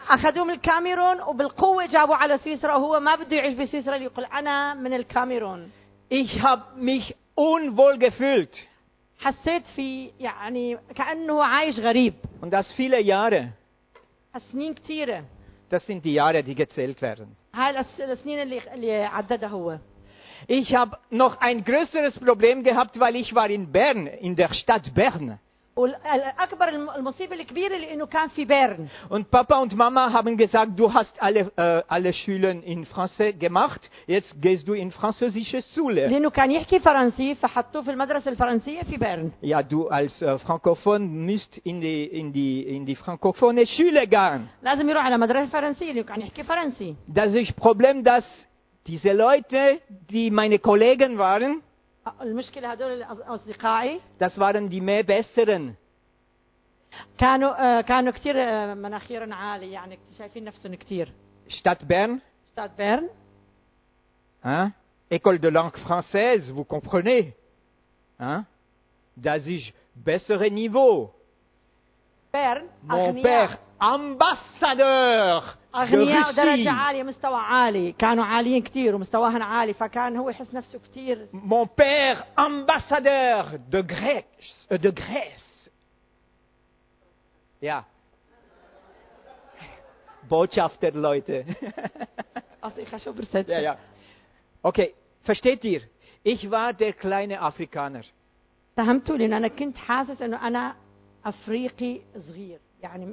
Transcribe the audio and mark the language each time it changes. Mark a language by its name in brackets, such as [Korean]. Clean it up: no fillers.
[Arabic] أخذوا من الكاميرون وبالقوة جابوا على سويسرا وهو ما بده يعيش بسويسرا يقول أنا من الكاميرون. [German] Ich habe mich unwohl gefühlt. [Arabic] حسيت في يعني كأنه عايش غريب. [German] Und das viele Jahre. [Arabic] سنين كثيرة. [German] Das sind die Jahre, die gezählt werden. [Arabic] هاي السنين اللي عدده هو. [German] Ich habe noch ein größeres Problem gehabt, weil ich war in Bern, in der Stadt Bern. [Arabic] والأكبر المصيبة الكبيرة لأنه كان في بيرن. [German] Und Papa und Mama haben gesagt, du hast alle Schulen in Französisch gemacht, jetzt gehst du in französische Schule. [Arabic] لأنه كان يحكي فرنسي فحطوه في المدرسة الفرنسية في بيرن. [German] Ja, du als Frankophon müsst in die francophone Schule gehen. [Arabic] لازم يروح على مدرسة فرنسية لأنه كان يحكي فرنسي. [German] Das ist Problem, dass diese Leute, die meine Kollegen waren. [Arabic] المشكلة هذول أصدقائي. [German] Das waren die mehr besseren. [Arabic] كانوا كتير مناخير عالي يعني شايفين نفسهم كتير. [German] Stadt Bern. Hein? [French] École de langue française, vous comprenez? [German] Hein? Das ist bessere niveau. Bern. [French] Mon père, ambassadeur. [Arabic] أغنياء درجة عالية مستوى عالي كانوا عاليين كتير ومستواهم عالي فكان هو يحس نفسه كتير. [French] Mon père ambassadeur de Grèce. [English] Yeah. [German] Botschafter Leute. Also ich habe schon übersetzt. [English] Yeah, yeah. [German] Okay, versteht ihr? Ich war der kleine Afrikaner. [Arabic] فهمتوا لأن أنا كنت حاسس إنه أنا أفريقي صغير يعني.